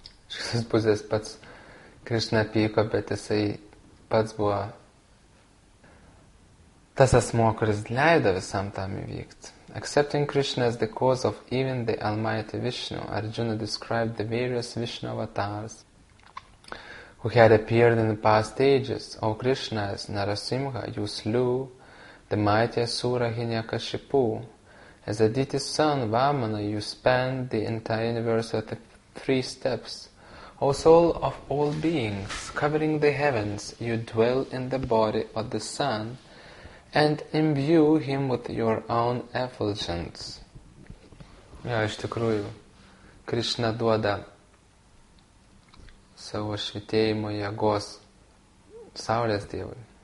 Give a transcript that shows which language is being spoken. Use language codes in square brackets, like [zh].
[lt] Šis pusės pats Krishna pyko, bet jisai pats buvo tas asmuo, kuris leido visam tam įvykti. [en] Accepting Krishna as the cause of even the Almighty Vishnu, Arjuna described the various Vishnu avatars who had appeared in the past ages. O Krishna, as Narasimha, you slew the mighty Asura Hiranyakashipu. As Aditi's son, Vamana, you spanned the entire universe at three steps. O soul of all beings, covering the heavens, you dwell in the body of the sun and imbue him with your own effulgence. [lt] Ja, iš tikrųjų, Krishna duoda savo švietėjimo jėgos Saulės Dievui.